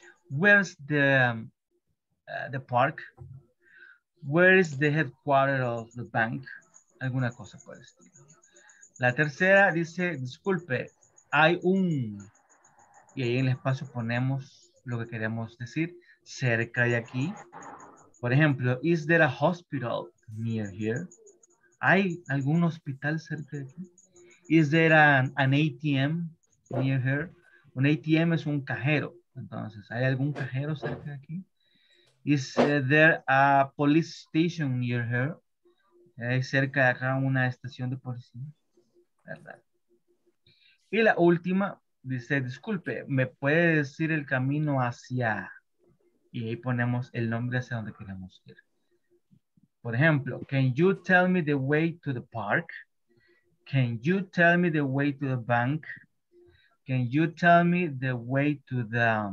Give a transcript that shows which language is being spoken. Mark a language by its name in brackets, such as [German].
[English] Where's the park? Where is the headquarter of the bank? [Spanish] Alguna cosa por el estilo. La tercera dice, disculpe, hay un... Y ahí en el espacio ponemos lo que queremos decir, cerca de aquí. Por ejemplo, [English] is there a hospital near here? [Spanish] ¿Hay algún hospital cerca de aquí? [English] Is there an ATM near here? [Spanish] Un ATM es un cajero. Entonces, ¿hay algún cajero cerca de aquí? [English] Is there a police station near here? [Spanish] ¿Hay cerca de acá una estación de policía? ¿Verdad? Y la última dice, disculpe, ¿me puede decir el camino hacia...? Y ahí ponemos el nombre hacia donde queremos ir. Por ejemplo, [English] can you tell me the way to the park? Can you tell me the way to the bank? Can you tell me the way to the...